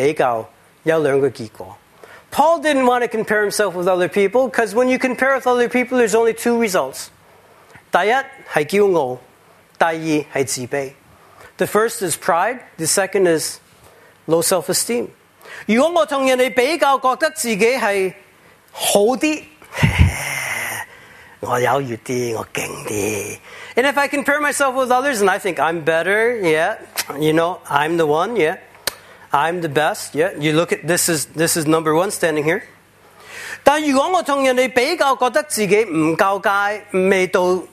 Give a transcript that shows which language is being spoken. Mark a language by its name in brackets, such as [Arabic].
[Chinese] 保罗不会跟人相比，他就是因为知道跟人比较有两个结果。Paul [English] didn't want to compare himself with other people, because when you compare with other people, there's only two results. [Chinese] 第一是骄傲，第二是自卑。 [English] The first is pride. The second is low self-esteem. [Chinese] 如果我跟人比较，觉得自己是好一点，我有越一点，我劲一点。 [English] And if I compare myself with others and I think I'm better, yeah, you know, I'm the one, yeah. I'm the best, yeah. You look at, this is number one standing here. [Chinese] 但如果我跟人比较，觉得自己不够佳，未到。